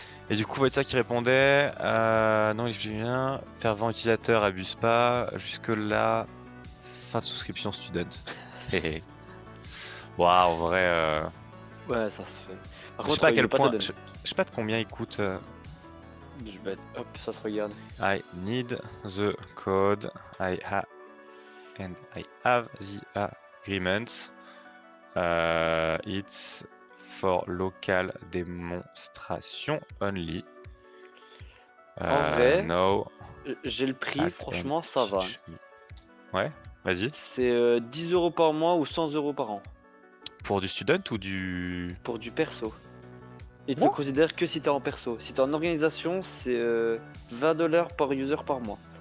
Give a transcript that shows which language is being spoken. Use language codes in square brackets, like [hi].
[fr] Et du coup, c'est ça qui répondait. Non, il explique bien. Fervent utilisateur, abuse pas. Jusque là, fin de souscription student. Waouh, en vrai. Ouais, ça se fait. Par contre, je sais pas à quel point. Je sais pas de combien il coûte. Je bête. Hop, ça se regarde. [en] I need the code. I have and I have the agreements. It's for local demonstration only. [fr] En vrai, no, j'ai le prix, franchement, ça va. Ouais, vas-y. C'est 10 euros par mois ou 100 euros par an. Pour du student ou du. Pour du perso. Et tu considères que si t'es en perso. Si t'es en organisation, c'est 20$ par user par mois.